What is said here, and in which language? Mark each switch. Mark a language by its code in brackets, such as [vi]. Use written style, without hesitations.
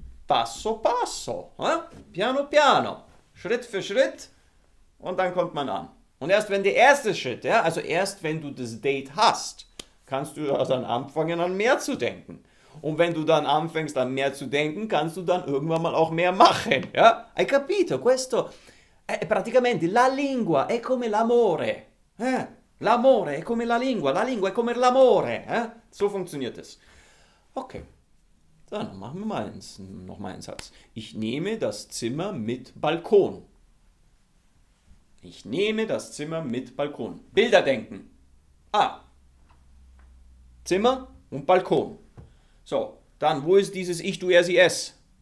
[it] Passo passo, piano piano, [de] Schritt für Schritt und dann kommt man an. Und erst wenn der erste Schritt, ja, also erst wenn du das Date hast, kannst du dann anfangen an mehr zu denken. Und wenn du dann anfängst an mehr zu denken, kannst du dann irgendwann mal auch mehr machen. [it] Ja? Hai capito? Questo è praticamente la lingua, è come l'amore. L'amore è come la lingua è come l'amore. [de] So funktioniert es. Okay. Dann machen wir mal eins, noch mal einen Satz. Ich nehme das Zimmer mit Balkon. Ich nehme das Zimmer mit Balkon. Bilder denken. Ah. Zimmer und Balkon. So, dann wo ist dieses Ich, du, er, sie, es?